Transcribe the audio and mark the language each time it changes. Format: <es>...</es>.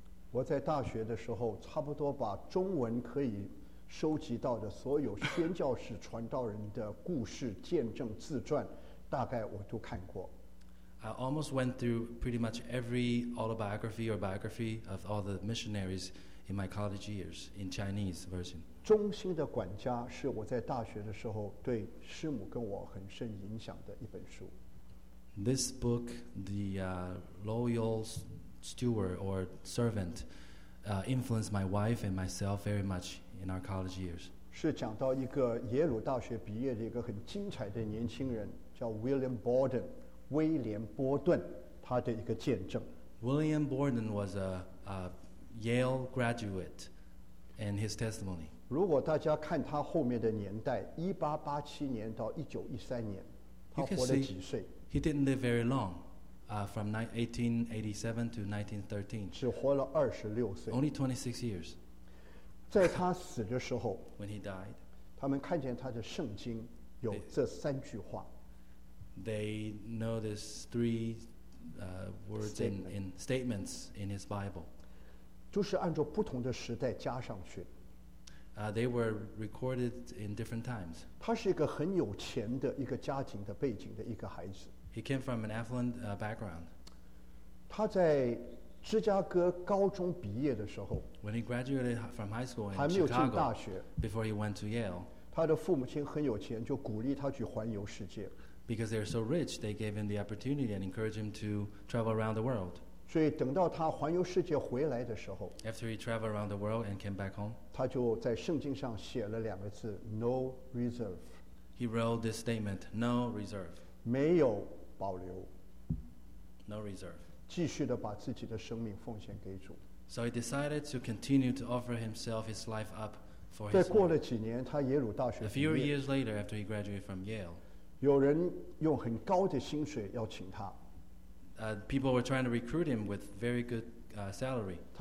<zh>我在大学的时候，差不多把中文可以收集到的所有宣教士、传道人的故事、见证、自传，大概我都看过。</zh> <en>I almost went through pretty much every autobiography or biography of all the missionaries in my college years in Chinese version.</en> <zh>中心的管家是我在大学的时候对师母跟我很深影响的一本书。</zh> <en>This book, The Loyal Steward or Servant, influenced my wife and myself very much in our college years.</en> <zh>是讲到一个耶鲁大学毕业的一个很精彩的年轻人，叫 William Borden。威廉·波顿他的一个见证。</zh> <en>William Borden was a Yale graduate and his testimony.</en> <zh>如果大家看他后面的年代 ,1887 年到1913年他活了几岁</zh> <en>He didn't live very long, from 1887 to 1913.</en> <zh>只活了26岁。</zh> <en>Only 26 years.</en> <zh>在他死的时候</zh> <en>When he died,</en> <zh>他们看见他的圣经有这三句话。</zh> <en>They notice three words in statements in his Bible.</en> <zh>就是按照不同的时代加上去。</zh> <en>They were recorded in different times.</en> <zh>他是一个很有钱的一个家庭的背景的一个孩子。</zh> <en>He came from an affluent background.</en> <zh>他在芝加哥高中毕业的时候</zh> <en>，When he graduated from high school in</en> <zh>还没有进大学</zh> <en>Chicago, ，Before he went to Yale.</en> <zh>他的父母亲很有钱，就鼓励他去环游世界。</zh> <en>Because they're so rich, they gave him the opportunity and encouraged him to travel around the world.</en> <zh>所以等到他环游世界回来的时候</zh> <en>After he traveled around the world and came back home,</en> <zh>他就在圣经上写了两个字</zh> <en>No reserve. He wrote this statement, No reserve.</en> <zh>没有保留</zh> <en>No reserve.</en> <zh>继续地把自己的生命奉献给主</zh> <en>So he decided to continue to offer himself his life up for his</en> <zh>life. 再过了几年他耶鲁大学</zh> <en>A few years later after he graduated from Yale,</en> <zh>有人用很高的薪水要请他。</zh> <en>People were trying to recruit him with very good salary.</en>